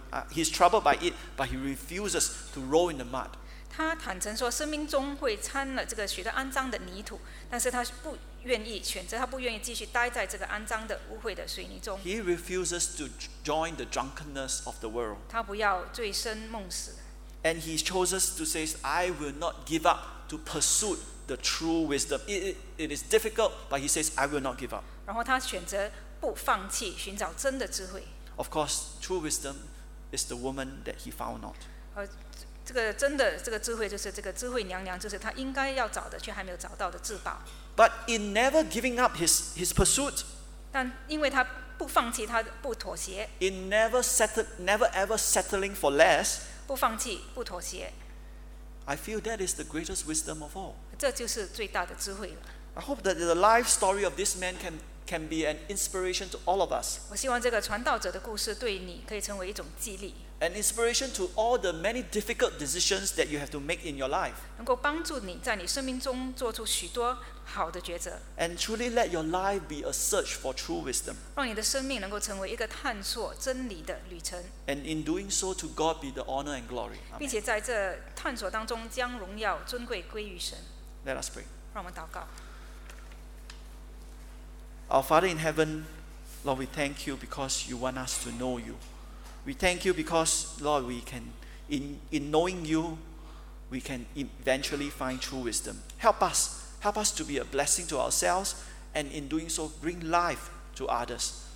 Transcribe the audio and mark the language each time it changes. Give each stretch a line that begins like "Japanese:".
English: He's troubled by it, but he refuses to roll in the mud.
Chinese: 他坦诚说，生命中会掺了这个许多肮脏的泥土，但是他不愿意选择，他不愿意继续待在这个肮脏的污秽的水泥中。
English: He refuses to join the drunkenness of the world.
Chinese: 他不要醉生梦死。
English: And he chooses to say, I will not give up to pursue the true wisdom. It is difficult, but he says, I will not give up.
Chinese: 然后他选择不放弃寻找真的智慧。
English: Of course, true wisdom is the woman that he found not.
Chinese: 这个真的这个智慧就是这个智慧娘娘，就是他应该要找的却还没有找到的至宝。
English: But in never giving up his pursuit,
Chinese: 但因为他不放弃，他不妥协。
English: In never ever settling for less,
Chinese: 不放弃，不妥协。
English: I feel that is the greatest wisdom of all.
Chinese: 这就是最大的智慧了。
English: I hope that the life story of this man can can be an inspiration to all of us.
Chinese: 我希望这个传道者的故事对你可以成为一种激励。
English: An inspiration to all the many difficult decisions that you have to make in your life.
Chinese: 能够帮助你在你生命中做出许多好的抉择。
English: And truly let your life be a search for true wisdom.
Chinese: 让你的生命能够成为一个探索真理的旅程。
English: And in doing so, to God be the honor and glory.
Chinese: 并且在这探索当中将荣耀尊贵归于神。
English: Let us pray.
Chinese: 让我们祷告。
English: Our Father in heaven, Lord, we thank you because you want us to know you. We thank you because, Lord, we can, in knowing you, we can eventually find true wisdom. Help us to be a blessing to ourselves, and in doing so, bring life to others.